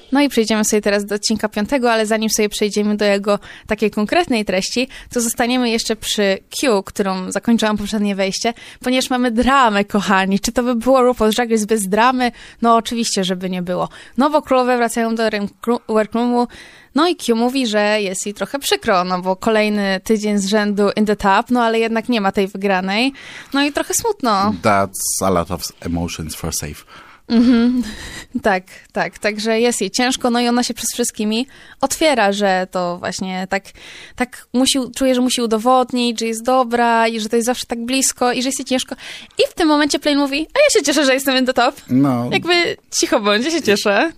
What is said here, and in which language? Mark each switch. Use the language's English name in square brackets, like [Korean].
[Polish] Przejdziemy sobie teraz do odcinka piątego, ale zanim sobie przejdziemy do jego takiej konkretnej treści, to zostaniemy jeszcze przy Q, którą zakończyłam poprzednie wejście, ponieważ mamy dramę, kochani. Czy to by było RuPaul's Drag Race bez dramy? No oczywiście, żeby nie było. Nowo królowe wracają do workroomu, no i Q mówi, że jest jej trochę przykro, no bo kolejny tydzień z rzędu [English] in the top, [Polish] no ale jednak nie ma tej wygranej, no i trochę smutno. [English] That's a lot of emotions for safe. [Polish] Mm-hmm. Tak, tak. Także jest jej ciężko, no i ona się przez wszystkimi otwiera, że to właśnie tak musi, czuje, że musi udowodnić, że jest dobra i że to jest zawsze tak blisko i że jest jej ciężko. I w tym momencie Plain mówi, a ja się cieszę, że jestem [English] in the top. [Polish] No. Jakby cicho bądź, ja się cieszę.